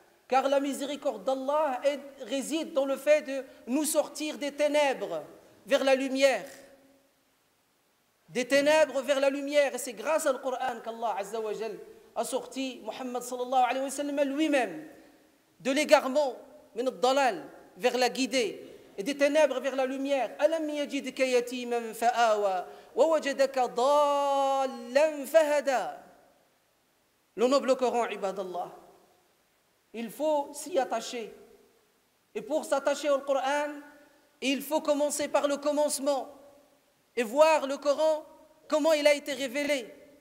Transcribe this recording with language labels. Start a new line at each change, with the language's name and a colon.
French: Car la miséricorde d'Allah réside dans le fait de nous sortir des ténèbres vers la lumière. Des ténèbres vers la lumière. Et c'est grâce au Coran qu'Allah azza wa jal a sorti Muhammad sallallahu alayhi wa sallam lui-même de l'égarement.
Arabic: من الضلال
French: vers la guidée et des ténèbres vers la lumière.
Arabic: ألم يجدك يتيما فآوى ووجدك ضالا فهدى.
French: Le noble Coran,
Arabic: عباد الله.
French: Il faut s'y attacher. Et pour s'attacher au Coran, il faut commencer par le commencement et voir le Coran, comment il a été révélé.